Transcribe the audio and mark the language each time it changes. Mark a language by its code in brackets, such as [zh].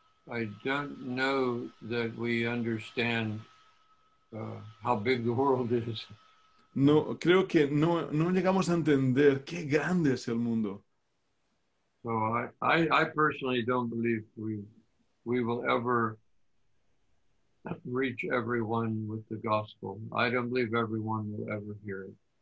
[en] I don't know that we understand how big the world is. [es] No, creo que no llegamos a entender qué grande es el mundo. [en] So I personally don't believe we will ever reach everyone with the gospel. I don't believe everyone will ever hear it.